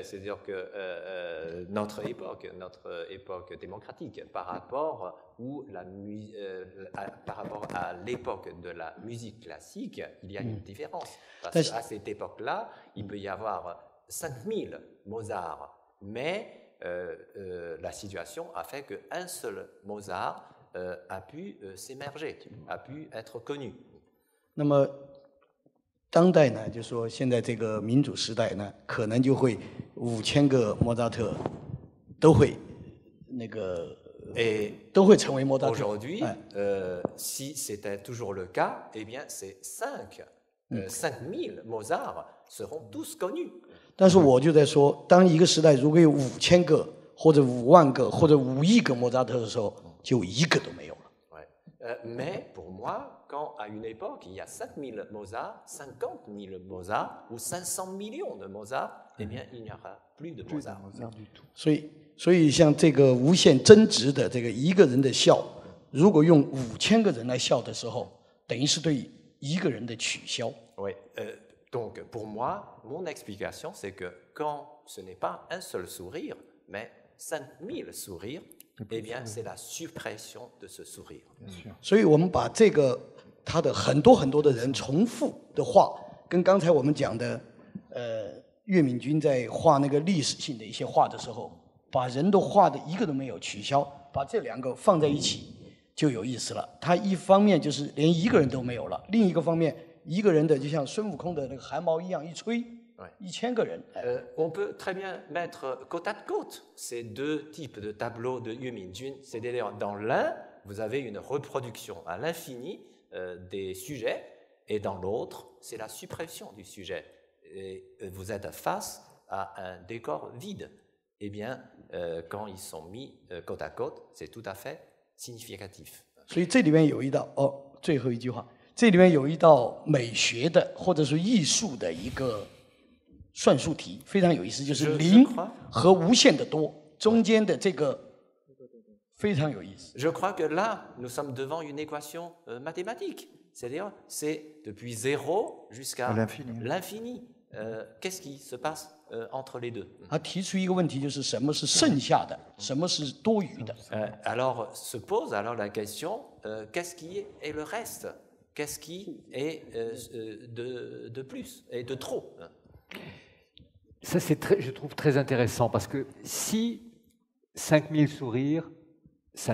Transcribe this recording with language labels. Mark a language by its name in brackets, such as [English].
[French] C'est-à-dire que notre époque démocratique, par rapport à l'époque de la musique classique, il y a une différence. Parce qu'à cette époque-là, il peut y avoir 5000 Mozart, mais la situation a fait qu'un seul Mozart a pu s'émerger, a pu être connu. [Chinese] 那么当代呢，就说现在这个民主时代呢，可能就会5000个莫扎特都会那个，都会成为莫扎特。 [French] Aujourd'hui, si c'était toujours le cas, eh bien, ces 5000 Mozart seront tous connus. [Chinese] 但是我就在说，当一个时代如果有5000个或者50000个或者5亿个莫扎特的时候，就一个都没有了。 [French] Mais pour moi, quand à une époque il y a 5000 Mozart, 50000 Mozart ou 500 millions de Mozart, eh bien il n'y aura plus de Mozart. Plus de Mozart du tout. [Chinese] 所以像这个无限增值的这个一个人的笑，如果用五千个人来笑的时候，等于是对一个人的取消。 [French] Oui, donc pour moi, mon explication c'est que quand ce n'est pas un seul sourire, mais 5000 sourires, eh bien c'est la suppression de ce sourire. [Chinese] 所以我们把这个他的很多很多的人重复的话，跟刚才我们讲的，岳敏君在画那个历史性的一些画的时候，把人都画的一个都没有取消，把这两个放在一起就有意思了。他一方面就是连一个人都没有了，另一个方面。一个人的就像孙悟空的那个汗毛一样一吹，一千个人。 [French] On peut très bien mettre côte à côte ces deux types de tableaux de Yue Mingjun. C'est-à-dire, dans l'un, vous avez une reproduction à l'infini des sujets, et dans l'autre, c'est la suppression du sujet. Et vous êtes face à un décor vide. Eh bien, quand ils sont mis côte à côte, c'est tout à fait significatif. [Chinese] 所以这里面有一道哦，最后一句话。这里面有一道美学的或者是艺术的一个算术题，非常有意思，就是零和无限的多中间的这个非常有意思。 [French] Je crois que là nous sommes devant une équation mathématique, c'est-à-dire c'est depuis zéro jusqu'à l'infini. Qu'est-ce qui se passe entre les deux? [Chinese] 他提出一个问题，就是什么是剩下的，什么是多余的 [French] ？Alors se pose alors la question, qu'est-ce qui est le reste? Qu'est-ce qui est de plus et de trop? Ça, c'est très, je trouve très intéressant parce que si 5000 sourires, ça